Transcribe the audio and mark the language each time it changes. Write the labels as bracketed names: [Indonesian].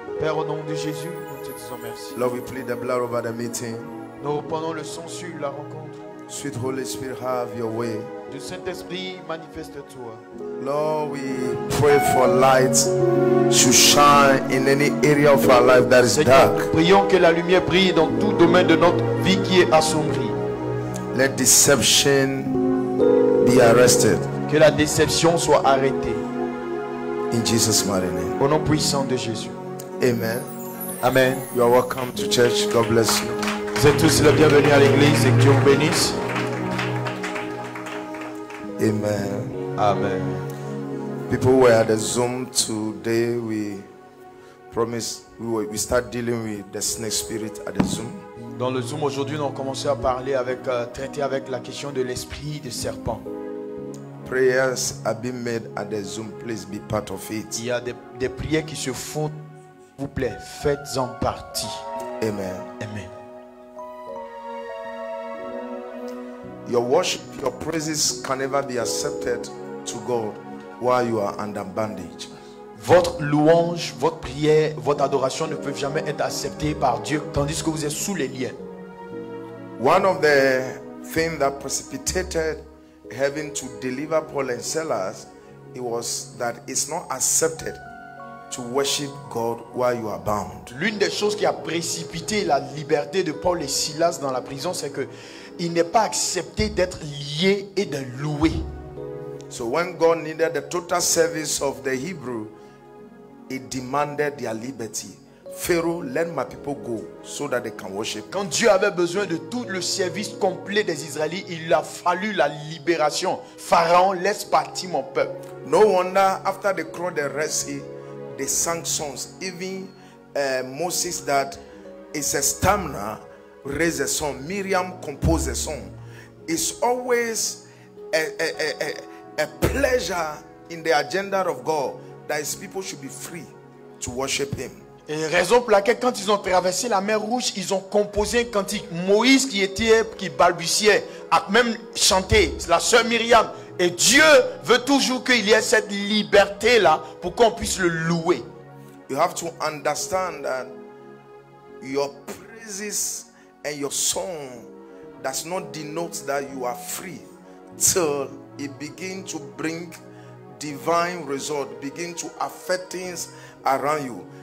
[French] Père, au nom de Jésus, nous te disons merci. [English] Lord, we plead the blood over the meeting. [French] Nous reprenons le sang sur la rencontre. [English] Sweet Holy Spirit, have your way. [French] Du Saint-Esprit, manifeste-toi. [English] Lord, we pray for light to shine in any area of our life that is dark. [French] Prions que la lumière brille dans tout domaine de notre vie qui est assombri. [English] Let deception be arrested. [French] Que la déception soit arrêtée. [English] In Jesus' mighty name. [French] Au nom puissant de Jésus. [English] Amen. [French] Amen. [English] You are welcome to church. God bless you. [French] Vous êtes tous les bienvenus à l'église et que Dieu vous bénisse. [English] Amen. [French] Amen. [English] People were at the Zoom today. We promise we start dealing with the snake spirit at the Zoom. [French] Dans le Zoom aujourd'hui, nous avons commencé à parler avec traiter avec la question de l'esprit de serpent. [English] Prayers have been made at the Zoom. Please be part of it. [French] Il y a des prières qui se font. S'il vous plaît, faites-en partie. [English] Amen. [French] Amen. [English] Your worship, your praises can never be accepted to God while you are under bondage. [French] Votre louange, votre prière, votre adoration ne peuvent jamais être acceptées par Dieu tandis que vous êtes sous les liens. [English] One of the things that precipitated having to deliver Paul and Silas, it was that it's not accepted to worship God while you are bound. [French] L'une des choses qui a précipité la liberté de Paul et Silas dans la prison, c'est que il n'est pas accepté d'être lié et de louer. [English] So when God needed the total service of the Hebrew, it demanded their liberty. Pharaoh, let my people go so that they can worship. [French] Quand Dieu avait besoin de tout le service complet des Israélites, il a fallu la libération. Pharaon, laisse partir mon peuple. No wonder after they crossed the Red Sea, the sanctions, even Moses, that is a stamina, raise a song. Miriam composed a song. It's always a pleasure in the agenda of God that his people should be free to worship him. Et raison pour laquelle, quand ils ont traversé la mer Rouge, ils ont composé un cantique. Moïse qui balbutiait, a même chanté, la sœur Myriam. Et Dieu veut toujours qu'il y ait cette liberté là pour qu'on puisse le louer. [English] You have to understand that your praises and your song does not denote that you are free till it begin to bring divine result, begin to affect things around you.